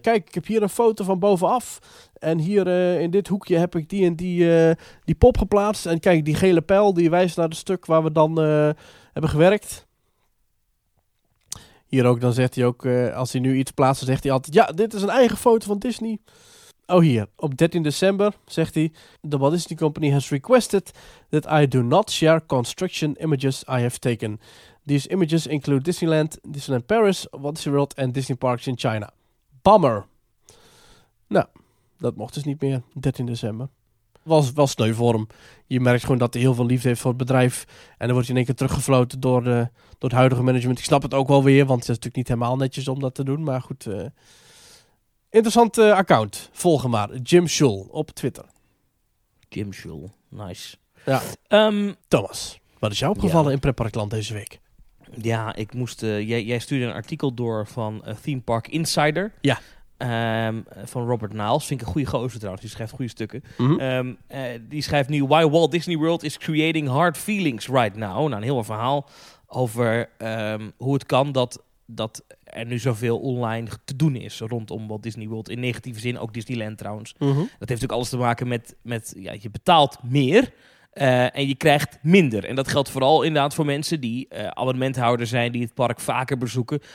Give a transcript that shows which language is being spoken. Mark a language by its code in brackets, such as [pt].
[nl] kijk, ik heb hier een foto van bovenaf. En hier in dit hoekje heb ik die pop geplaatst. En kijk, die gele pijl die wijst naar het stuk waar we dan hebben gewerkt. Hier ook, dan zegt hij ook... als hij nu iets plaatst, dan zegt hij altijd... Ja, dit is een eigen foto van Disney. Oh, hier, op 13 december zegt hij... [en] The Walt Disney Company has requested that I do not share construction images I have taken. These images include Disneyland, Disneyland Paris, Walt Disney World en Disney Parks in China. Bummer. [nl] Nou, dat mocht dus niet meer, 13 december. Was wel sneu voor hem. Je merkt gewoon dat hij heel veel liefde heeft voor het bedrijf. En dan wordt hij in één keer teruggefloten door het huidige management. Ik snap het ook wel weer, want het is natuurlijk niet helemaal netjes om dat te doen. Maar goed... Interessant account. Volg hem maar. Jim Shul op Twitter. Jim Shul. Nice. Ja. Thomas, wat is jou opgevallen in pretparkland deze week? Ja, ik moest... Jij stuurde een artikel door van Theme Park Insider. Ja. Van Robert Niles. Vind ik een goede gozer trouwens. Die schrijft goede stukken. Mm-hmm. Die schrijft nu... [en] Why Walt Disney World is creating hard feelings right now. [nl] Nou, een heel verhaal over hoe het kan dat er nu zoveel online te doen is rondom Walt Disney World. In negatieve zin, ook Disneyland trouwens. Mm-hmm. Dat heeft natuurlijk alles te maken met ja, je betaalt meer en je krijgt minder. En dat geldt vooral inderdaad voor mensen die abonnementhouder zijn, die het park vaker bezoeken.